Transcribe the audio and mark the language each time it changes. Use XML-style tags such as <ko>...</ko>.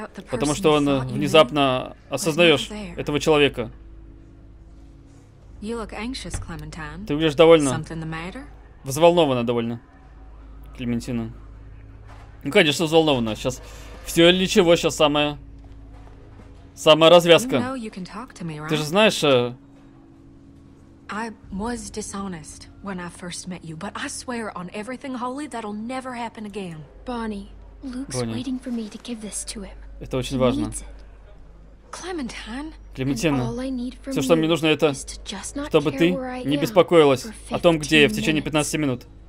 <ru>Потому что он внезапно осознаешь этого человека.</ru> <en>You look anxious, Clementine.</en> <ru>Ты выглядишь довольно взволнована, довольно, Клементина. Ну конечно, взволнована. Сейчас все или ничего, сейчас самая развязка.</ru> <en>You know me, right?</en> <ru>Ты же знаешь.</ru> <en>I was dishonest when I first met you, but I swear on everything holy that'll never happen again. Bonnie, Luke's Bonnie. Waiting for me to give this to him.</en> <ru>Это очень важно. Клементина, все, что мне нужно, это чтобы ты не беспокоилась о том, где я в течение 15 минут.</ru>